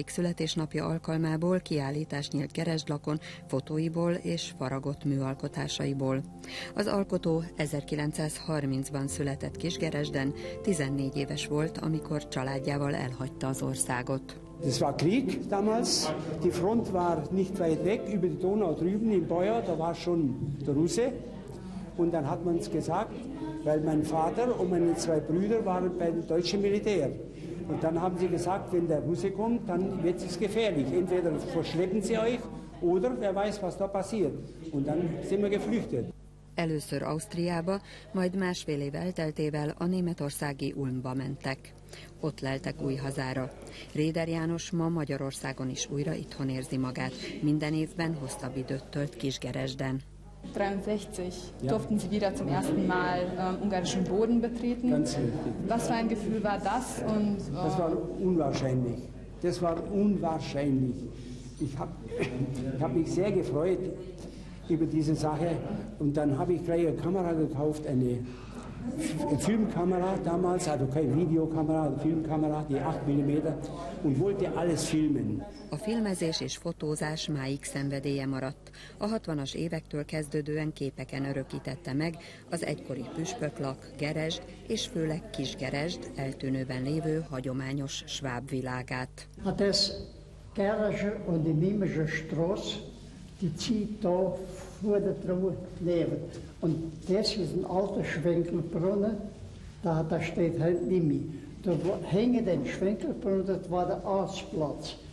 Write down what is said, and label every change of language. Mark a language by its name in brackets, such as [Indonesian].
[Hungarian] születésnapja alkalmából kiállítás nyílt Keresdlakon, fotóiból és faragott műalkotásaiból. Az alkotó 1930-ban született Kisgeresden, 14 éves volt, amikor családjával elhagyta az országot. [German] Das war Krieg damals. Die Front war nicht weit weg über die Donau drüben in Beuer, da war schon der Russe. Und dann hat man es gesagt, weil mein Vater und meine zwei Brüder waren beim deutschen Militär. Und dann haben sie gesagt, wenn der Russe kommt, dann wird es gefährlich. Entweder verschleppen sie euch oder wer weiß, was da passiert. Und dann sind wir geflüchtet. [Hungarian] Először Ausztriába, majd másfél év elteltével a németországi Ulmba mentek. Ott leltek új hazára. Réder János ma Magyarországon is újra itthon érzi magát. Minden évben hosszabb időt tölt Kisgeresden. [German] 63 durften Sie wieder zum ersten Mal ungarischen Boden betreten. Ganz richtig. Was für ein Gefühl war das? Und, das war unwahrscheinlich. Das war unwahrscheinlich. Ich hab mich sehr gefreut über diese Sache. Und dann habe ich gleich eine Kamera gekauft, eine Filmkamera damals, also keine Videokamera, eine Filmkamera, die 8 mm, und wollte alles filmen. [Hungarian] A filmezés és fotózás máig szenvedélye maradt. A 60-as évektől kezdődően képeken örökítette meg az egykori püspöklak, Geresd és főleg Kisgeresd eltűnőben lévő hagyományos sváb világát. Hát ez [German] Geresd und die Mimische Stross, die zieht da vor der Truhe leben. Und das ist ein alter Schwenkelbrunnen, da steht halt Mimi. Da hängt ein Schwenkelbrunnen, das war der Arztplatz.